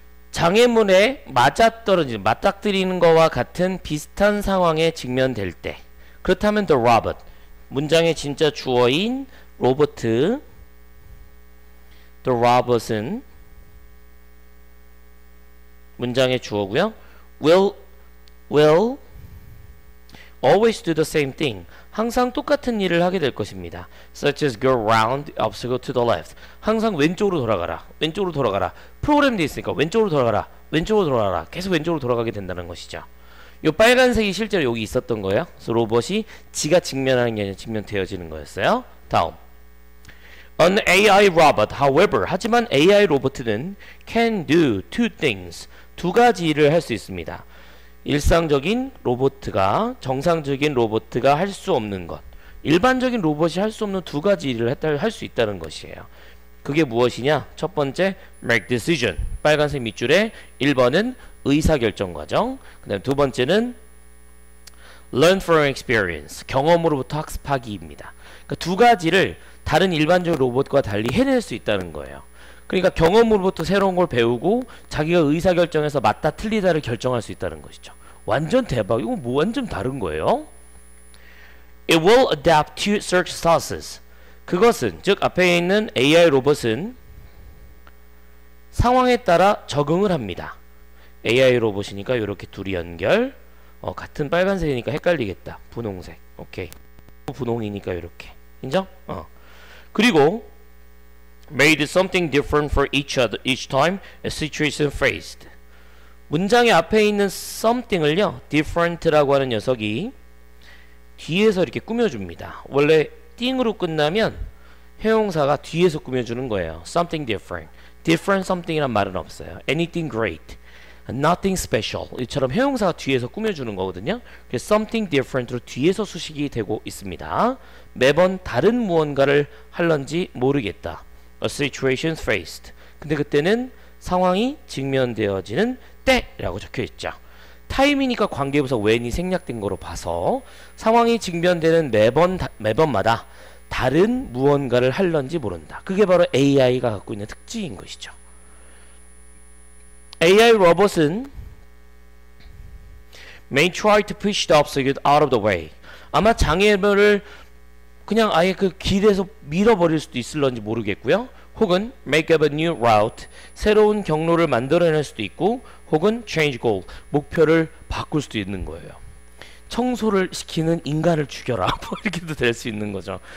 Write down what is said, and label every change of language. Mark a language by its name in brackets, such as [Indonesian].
[Korean] 장애물에 맞아떨어지는, 맞닥뜨리는 것과 같은 비슷한 상황에 직면될 때. 그렇다면 [English] the robot, [Korean] 문장의 진짜 주어인 로버트. [English] The robot [Korean] 은 문장의 주어고요. [English] Will always do the same thing. [Korean] 항상 똑같은 일을 하게 될 것입니다. [English] Such as go round the obstacle to the left. [Korean] 항상 왼쪽으로 돌아가라. 왼쪽으로 돌아가라. 프로그램돼 있으니까 왼쪽으로 돌아가라. 왼쪽으로 돌아가라. 계속 왼쪽으로 돌아가게 된다는 것이죠. 요 빨간색이 실제로 여기 있었던 거예요. 그래서 로봇이 지가 직면하는 게 아니라 직면되어지는 거였어요. 다음. [English] An AI robot, however, [Korean] 하지만 AI 로봇은 [English] can do two things. [Korean] 두 가지 일을 할수 있습니다. 일상적인 로봇과 정상적인 로봇과 할수 없는 것. 일반적인 로봇이 할수 없는 두 가지 일을 할수 있다는 것이에요. 그게 무엇이냐? 첫 번째, [English] make decision. [Korean] 빨간색 밑줄에 1번은 의사결정 과정. 그 다음 두 번째는 [English] learn from experience. [Korean] 경험으로부터 학습하기입니다. 그러니까 두 가지를 다른 일반적 로봇과 달리 해낼 수 있다는 거예요. 그러니까 경험으로부터 새로운 걸 배우고 자기가 의사결정해서 맞다 틀리다를 결정할 수 있다는 것이죠. 완전 대박. 이거 뭐 완전 다른 거예요? [English] It will adapt to search sources. [Korean] 그것은, 즉 앞에 있는 AI 로봇은 상황에 따라 적응을 합니다. AI 로봇이니까 이렇게 둘이 연결. 같은 빨간색이니까 헷갈리겠다. 분홍색. 오케이. 분홍이니까 이렇게. 인정? [English] 그리고 made something different for each time a situation faced. [Korean] 문장의 앞에 있는 something을요, different라고 하는 녀석이 뒤에서 이렇게 꾸며줍니다. 원래 thing으로 끝나면 형용사가 뒤에서 꾸며주는 거예요. [English] something different. different something [Korean] 이란 말은 없어요. [English] anything great. nothing special. [Korean] 이처럼 형용사가 뒤에서 꾸며주는 거거든요. 그래서 something different로 뒤에서 수식이 되고 있습니다. 매번 다른 무언가를 할런지 모르겠다. [English] A situation faced. [Korean] 근데 그때는 상황이 직면되어지는 때라고 적혀 있죠. time이니까 관계부서 when이 생략된 거로 봐서 상황이 직면되는 매번마다 다른 무언가를 할런지 모른다. 그게 바로 AI가 갖고 있는 특징인 것이죠. AI 로봇은 [English] may try to push the obstacle out of the way. [Korean] 아마 장애물을 그냥 아예 그 길에서 밀어버릴 수도 있을런지 모르겠고요. 혹은 [English] make up a new route, [Korean] 새로운 경로를 만들어낼 수도 있고, 혹은 [English] change goal, [Korean] 목표를 바꿀 수도 있는 거예요. 청소를 시키는 인간을 죽여라. 뭐 이렇게도 될수 있는 거죠.